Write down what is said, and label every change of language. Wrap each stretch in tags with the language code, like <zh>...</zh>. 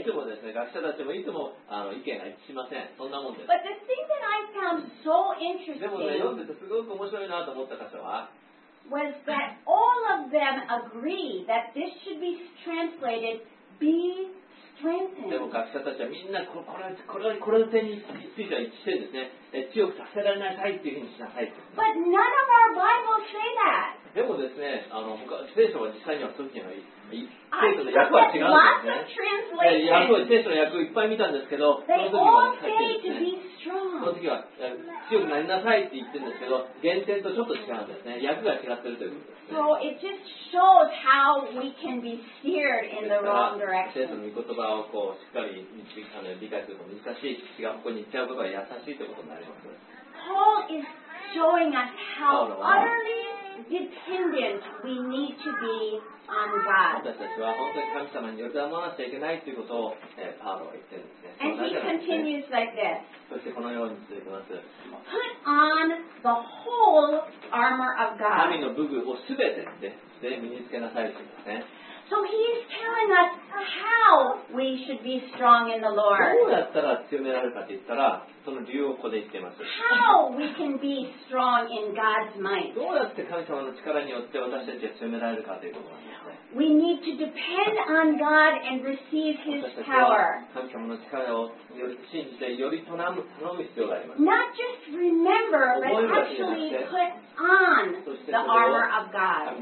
<en>But the thing that I found so interesting was that all of them agree that this should be translated be strengthened.</en> <ja>でも学者たちはみんなこれの点については一致してるんですね。強くさせられなさいっていうふうにしなさい。</ja> <en>But none of our Bible say that.</en> <ja>でもですね、聖書は実際にはそういうふうには聖書の訳をいっぱい見たんですけど、その時は強くなりなさいって言ってるんですけど、原点とちょっと違うんですね。訳が違ってるということですね。聖書の御言葉をこうしっかり理解するのも難しいし、違う方向に行っちゃうことが優しいということになります。</ja> <en>Paul is showing us how utterly dependent we need to be on God.</en> <ja>私たちは本当に神様に委ねなきゃいけないということを、パウロは言ってるんですね。</ja> <en>And he continues like this.</en> <ja>そしてこのように続きます。</ja> <en>Put on the whole armor of God.</en> <ja>神の武具をすべてで身につけなさいって言うんですね。</ja> <en>So he's telling us how we should be strong in the Lord.</en> <ja>どうやったら強められるかって言ったら、その理由をここで言ってます。</ja> <en>How we can be strong in God's might.</en> <ja>どうやって神様の力によって私たちが強められるかということなんですね。</ja> <en>We need to depend on God and receive His power.</en> <ja>神様の力をより信じて、より頼む必要があります。</ja> <en>Not just remember, but actually put on the armor of God.</en>